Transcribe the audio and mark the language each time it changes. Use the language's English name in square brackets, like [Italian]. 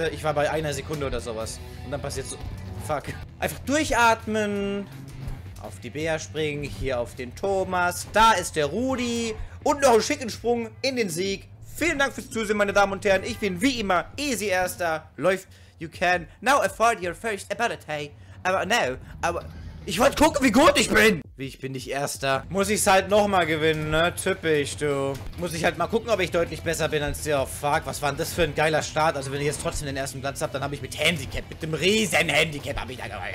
[German] Ich war bei einer Sekunde oder sowas. Und dann passiert so... Fuck. Einfach durchatmen. Auf die Bär springen. Hier auf den Thomas. Da ist der Rudi. Und noch einen schicken Sprung in den Sieg. Vielen Dank fürs Zusehen, meine Damen und Herren. Ich bin wie immer Easy Erster. Läuft. [English] You can now afford your first ability. [German] Aber now, aber... Ich wollte gucken, wie gut ich bin. Wie, ich bin nicht Erster. Muss ich es halt nochmal gewinnen, ne? Typisch, du. Muss ich halt mal gucken, ob ich deutlich besser bin als der. Oh, fuck. Was war denn das für ein geiler Start? Also, wenn ich jetzt trotzdem den ersten Platz habe, dann habe ich mit Handicap, mit dem riesen Handicap, habe ich da...